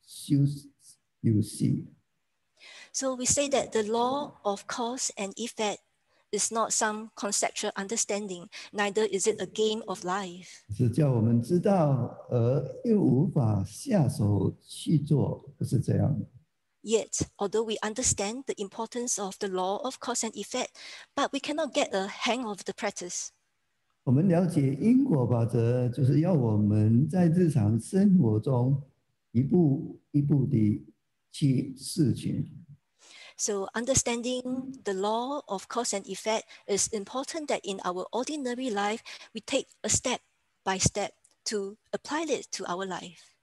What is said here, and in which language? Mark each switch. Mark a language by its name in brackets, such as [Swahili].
[Chinese] 因为我们讲因果法则不是作为一种概念游戏。 [English] So we say that the law of cause and effect is not some conceptual understanding, neither is it a game of life. [Chinese] 是叫我们知道而又无法下手去做，不是这样的。 [English] Yet, although we understand the importance of the law of cause and effect, but we cannot get a hang of the practice. [Chinese] 我们了解因果法则，就是要我们在日常生活中一步一步地去试取。 [English] So understanding the law of cause and effect is important that in our ordinary life, we take a step by step to apply it to our life.